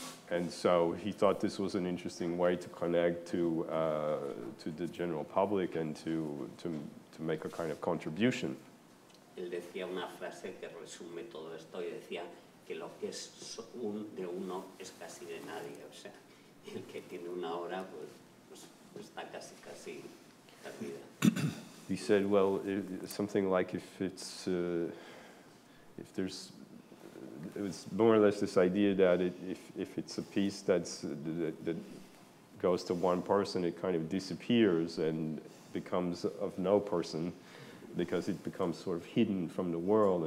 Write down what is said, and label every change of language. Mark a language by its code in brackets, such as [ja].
[en] And so he thought this was an interesting way to connect to the general public and to make a kind of contribution. [es] Él decía una frase que resume todo esto, y decía que lo que es de uno es casi de nadie. O sea, el que tiene una obra, pues está casi perdida. [en] He said, well, something like it was more or less this idea that if it's a piece that goes to one person, it kind of disappears and becomes of no person, because it becomes sort of hidden from the world.